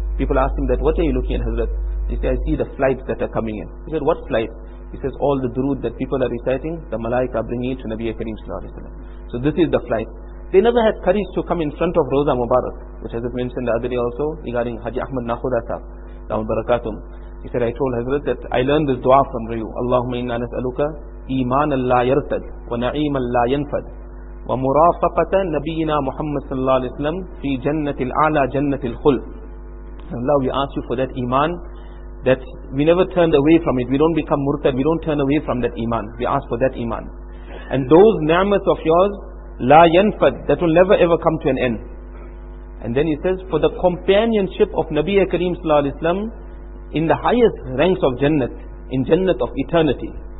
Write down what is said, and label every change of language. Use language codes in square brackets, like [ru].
[en] People asked him that, what are you looking at, Hazrat? He said, I see the flights that are coming in. He said, what flight? He says, all the Durud that people are reciting, the Malaika are bringing it to Nabi Kareem Sallallahu Alaihi Wasallam. So this is the flight. They never had courage to come in front of Roza Mubarak, which Hazrat mentioned the other day also regarding Haji Ahmad Nakhuda Sahib, Dawud Barakatum. He said, I told Hazrat that I learned this dua from you. [ar] Allahumma inna nas'aluka إيمان لا يرتد ونعيم لا ينفد ومرافقة نبينا محمد صلى الله عليه وسلم في جنة الأعلى جنة الخلف. [en] Allah, we ask you for that iman, that we never turned away from it. We don't become murtad. We don't turn away from that iman. We ask for that iman. And those ni'mat of yours, [ar] لا ينفد, [en] that will never ever come to an end. And then he says, for the companionship of Nabi Kareem صلى الله عليه وسلم in the highest ranks of Jannat, in Jannat of eternity.